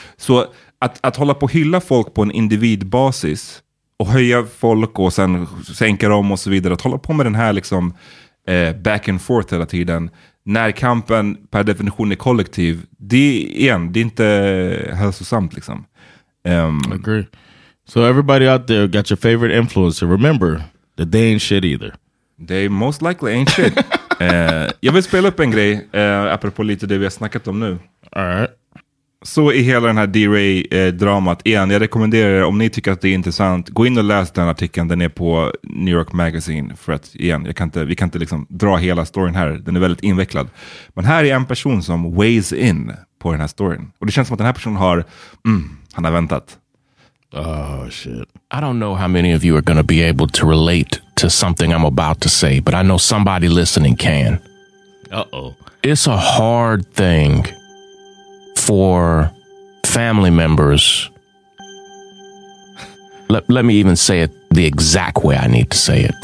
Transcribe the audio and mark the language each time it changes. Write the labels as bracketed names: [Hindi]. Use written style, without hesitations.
[Swedish] Så att hålla på och hylla folk på en individbasis och höja folk och sen sänka dem och så vidare. Att hålla på med den här liksom [English] back and forth [Swedish] hela tiden. När kampen per definition är kollektiv. Det är inte hälsosamt liksom. [English] Agree. So everybody out there got your favorite influencer. Remember that they ain't shit either. They most likely ain't shit. [Swedish] jag vill spela upp en grej apropå lite det vi har snackat om nu. [English] All right. [Swedish] Så i hela den här D-Ray-dramat igen, jag rekommenderar er, om ni tycker att det är intressant, gå in och läs den artikeln, den är på New York Magazine, för att igen, vi kan inte liksom dra hela storyn här, den är väldigt invecklad. Men här är en person som [English] weighs in [Swedish] på den här storyn, och det känns som att den här personen har han har väntat. [English] Oh shit. I don't know how many of you are gonna be able to relate to something I'm about to say, but I know somebody listening can. Uh-oh. It's a hard thing for family members, let me even say it the exact way I need to say it.